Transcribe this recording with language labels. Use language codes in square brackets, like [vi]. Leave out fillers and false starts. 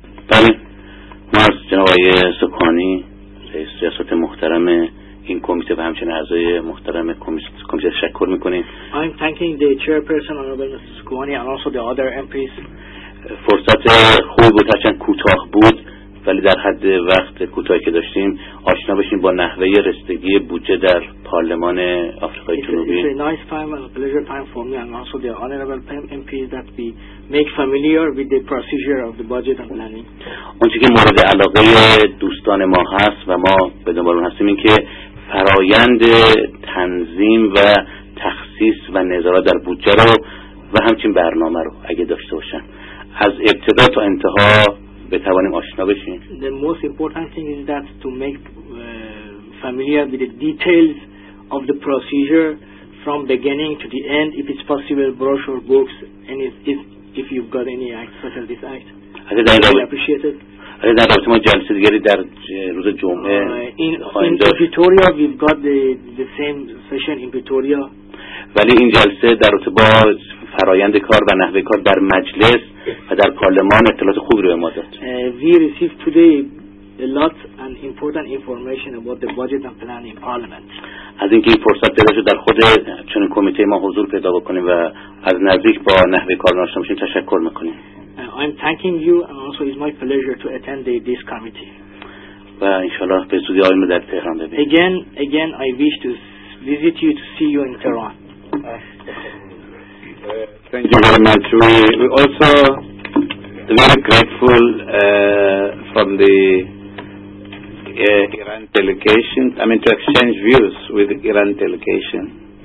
[fa] بله مرز جناب آقای سبحانی رئیس سیاست محترم این کمیته و همچنین اعضای محترم کمیته تشکر میکنیم. [en] I'm thanking the chairperson honorable Mr. Sukhani and also the other MPs. [fa] فرصت خوب بود هرچند کوتاه بود ولی در حد وقت کوتاهی که داشتیم آشنا بشیم با نحوه رسیدگی بودجه در پارلمان آفریقای جنوبی. [en] It's a nice time and a pleasure time for me and also the honorable MPs that we make familiar with the procedure of the budget and planning. [fa] اون چیزی که مورد علاقه دوستان ما هست و ما به دنبال اون هستیم این که فرایند تنظیم و تخصیص و نظارت در بودجه رو و همچنین برنامه رو اگه داشته باشن از ابتدا تا انتها بتوانیم آشنا بشیم. [en] The most important thing is that to make familiar with the details of the procedure from beginning to the end, if it's possible, brochure, books, and if you've got any act such as this act. I think I'd appreciate it. [fa] آره در رابطه ما جلسه دیگری در روز جمعه خواهیم داشت. این پیتوریا [en] we've got the same session in Pretoria. [fa] ولی این جلسه در رابطه با فرایند کار و نحوه کار در مجلس و در پارلمان اطلاعات خوبی رو به ما داد. [en] We received today a lot and important information about the budget and plan in Parliament. [fa] از اینکه این فرصت پیدا شد در خود چون کمیته ما حضور پیدا بکنیم و از نزدیک با نحوه کار آشنا بشیم تشکر میکنیم. [en] I'm thanking you and also it's my pleasure to attend this committee. Inshallah, be soon in Tehran. Again, I wish to visit you to see you in Tehran. Thank you very much. We also very grateful from the Iran delegation, I mean to exchange views with the Iran delegation.